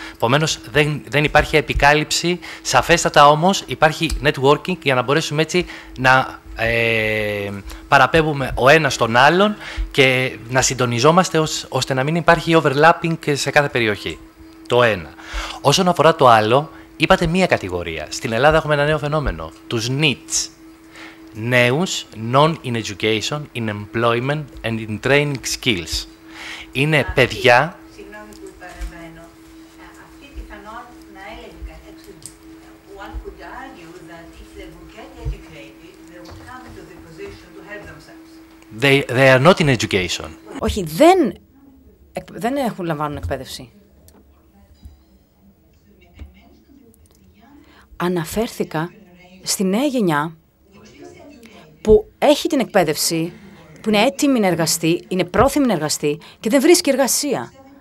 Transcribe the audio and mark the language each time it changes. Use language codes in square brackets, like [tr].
[el] Επομένως, δεν υπάρχει επικάλυψη. Σαφέστατα όμως, υπάρχει networking για να μπορέσουμε έτσι να παραπέμπουμε ο ένας τον άλλον και να συντονιζόμαστε ώστε να μην υπάρχει overlapping σε κάθε περιοχή. Το ένα. Όσον αφορά το άλλο, είπατε μία κατηγορία. Στην Ελλάδα έχουμε ένα νέο φαινόμενο, τους NEETs. [en] Νέους, non in education, in employment and in training skills. [el] Είναι παιδιά... [en] They are not in education. [el] Όχι, δεν έχουν λαμβάνουν εκπαίδευση. Αναφέρθηκα στη νέα γενιά που έχει την εκπαίδευση, που είναι έτοιμη να εργαστεί, είναι πρόθυμη να εργαστεί και δεν βρίσκει εργασία.